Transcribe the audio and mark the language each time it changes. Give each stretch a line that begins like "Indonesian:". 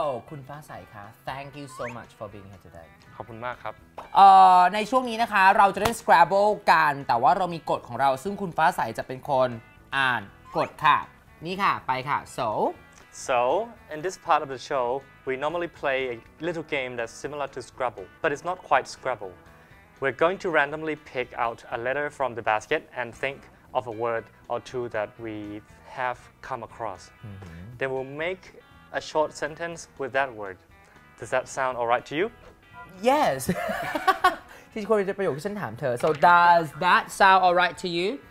English: คุณฟ้าใสคะ thank you so much for being here today
Thai: ขอบคุณมากครับ ในช่วงนี้นะคะเราจะเล่น Scrabble กันแต่ว่าเรามีกฎของเราซึ่งคุณฟ้าใสจะเป็นคนอ่านกฎค่ะนี่ค่ะไปค่ะ So
English: in this part of the show we normally play a little game that's similar to Scrabble but it's not quite Scrabble we're going to randomly pick out a letter from the basket and think of a word or two that we have come across then we'll makeA short sentence with that word. Does that sound all right to you? Yes.
Thai: ที่คุณจะประโยคที่ฉันถามเธอ
English: So does that sound all right to you?